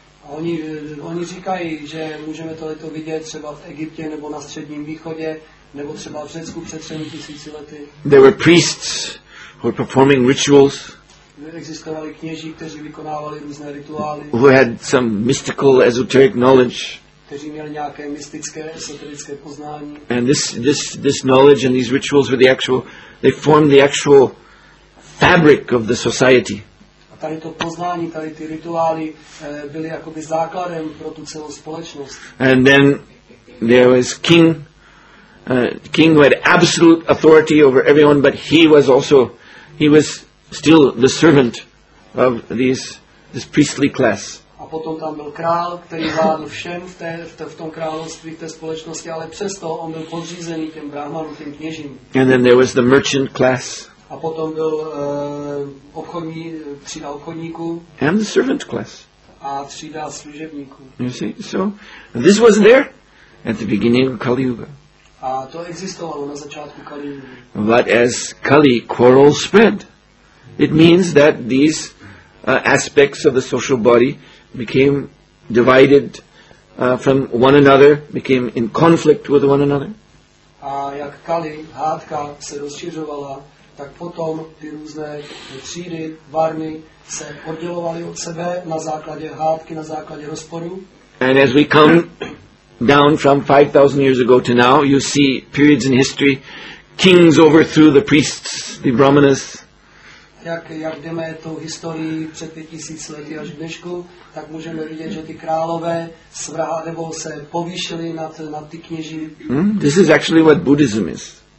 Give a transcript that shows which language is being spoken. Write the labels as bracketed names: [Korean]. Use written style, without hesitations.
[Czech] Oni říkají, že můžeme tohleto vidět třeba v Egyptě nebo na Středním východě nebo třeba v Řecku před 3000 lety. [English] There were priests who were performing rituals. [Czech] Existovali kněží, kteří vykonávali různé rituály. [English] Who had some mystical esoteric knowledge. [Czech] Kteří měli nějaké mystické esoterické poznání. [English] And this knowledge and these rituals were the actual, they formed the actual fabric of the society. [Czech] Tady to poznání, tady ty rituály byly jakoby základem pro tu celou společnost. [English] And then there was king who had absolute authority over everyone, but he was still the servant of this priestly class. [Czech] A potom tam byl král, který vládl všem v tom království, v té společnosti, ale přesto on byl podřízený těm brahmanům, těm kněžím. [English] And then there was the merchant class. [Czech] A potom byl obchodní třída obchodníků. [English] And the servant class. [Czech] A třída služebníků. [English] You see, so this was there at the beginning of Kali Yuga. [Czech] A to existovalo na začátku Kali Yuga. [English] But as Kali quarrel spread, it means that these aspects of the social body became divided from one another, became in conflict with one another. [Czech] A jak Kali hádka se rozšiřovala, tak potom ty různé třídy, varmy se oddělovaly od sebe na základě hádky, na základě rozporu. [English] And as we come down from 5,000 years ago to now, you see periods in history, kings overthrew the priests, the brahmanas. [Czech] Jak jdeme tou historii před 5,000 lety až dnešku, tak můžeme vidět, že ty králové nebo se povýšili nad ty kněží. [English] This is actually what Buddhism is.